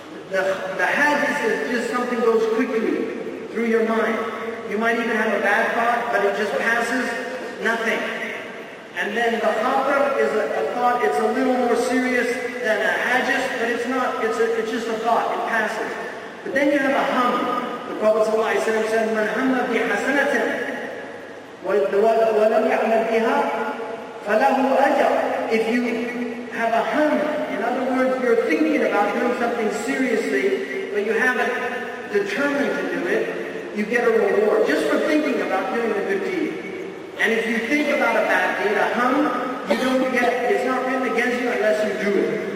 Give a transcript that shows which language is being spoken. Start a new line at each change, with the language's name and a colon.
English: The hadith is just something goes quickly through your mind. You might even have a bad thought, but it just passes, nothing. And then the khatr is a thought, it's a little more serious than a hadith, but it's not, it's just a thought, it passes. But then you have a hum. The Prophet ﷺ said,
Arabic: مَنْ هَمَّ بِحَسَنَةٍ وَلَمْ يَعْمَلْ بِهَا فَلَهُ أَجَرٌ.
English: If you have a hum, in other words, you're thinking about doing something seriously, but you haven't determined to do it, you get a reward just for thinking about doing a good deed. And if you think about a bad deed, a hum, you don't get, it's not written against you unless you do it.